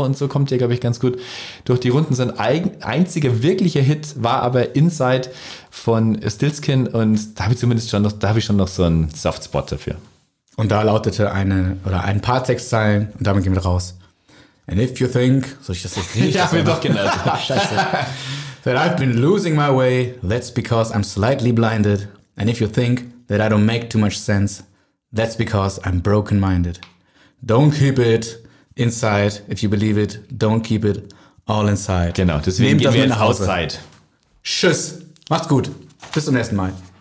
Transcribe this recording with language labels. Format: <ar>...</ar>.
<de>Und so kommt er, glaube ich, ganz gut durch die Runden. Sein einziger wirklicher Hit war aber Inside von Stillskin und da habe ich zumindest schon noch, da habe ich schon noch so einen Softspot dafür. Und da lautete ein paar Textzeilen und damit gehen wir raus.</de> <en>And if you think,</en> <de>soll ich das jetzt nicht? Ja, mir doch genannt. Scheiße.</de> <en>That I've been losing my way, that's because I'm slightly blinded. And if you think that I don't make too much sense, that's because I'm broken-minded. Don't keep it inside, if you believe it, don't keep it all inside.</en> <de>Genau, deswegen nehmt gehen wir in Hauszeit. Tschüss. Macht's gut. Bis zum nächsten Mal.</de>